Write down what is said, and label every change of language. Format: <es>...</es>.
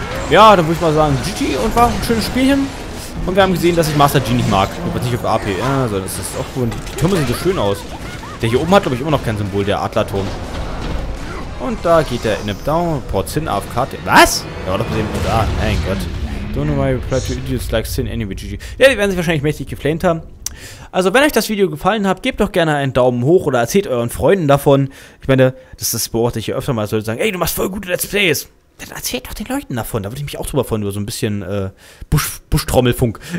<de>Ja, dann würde ich mal sagen, GG und war ein schönes Spielchen. Und wir haben gesehen, dass ich Master G nicht mag. Und nicht auf AP. Ja, so, das ist auch gut. Die Türme sehen so schön aus. Der hier oben hat, glaube ich, immer noch kein Symbol, der Adlerturm. Und da geht der in down, Port Sin AFK. Was? Ja, doch gesehen. Da, mein Gott.</de> <en>Don't know why we play to idiots like Sin anyway, GG.</en> <de>Ja, die werden sich wahrscheinlich mächtig geflamed haben. Also, wenn euch das Video gefallen hat, gebt doch gerne einen Daumen hoch oder erzählt euren Freunden davon. Ich meine, das beobachte ich hier öfter mal, sollte sagen, ey, du machst voll gute Let's Plays. Dann erzählt doch den Leuten davon. Da würde ich mich auch drüber freuen, über so ein bisschen Buschtrommelfunk.</de>